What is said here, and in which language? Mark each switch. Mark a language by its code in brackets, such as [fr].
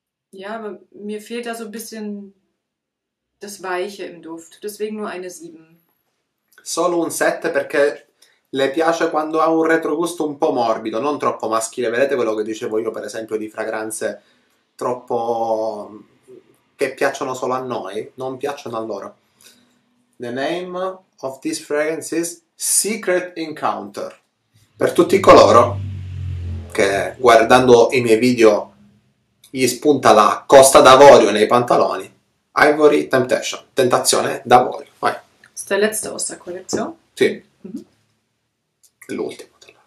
[de] Ja, aber mir fehlt da so ein bisschen das Weiche im Duft. Deswegen nur eine 7. [it] Solo un 7 perché le piace quando ha un retrogusto un po' morbido, non troppo maschile. Vedete quello che dicevo io, per esempio, di fragranze troppo che piacciono solo a noi, non piacciono a loro. [en] The name of this fragrance is Secret Encounter. [it] Per tutti coloro che guardando i miei video gli spunta la Costa d'Avorio nei pantaloni, Ivory Temptation, tentazione d'avorio. Vai. [de] Der letzte aus der Kollektion. [it] Sì. L'ultimo.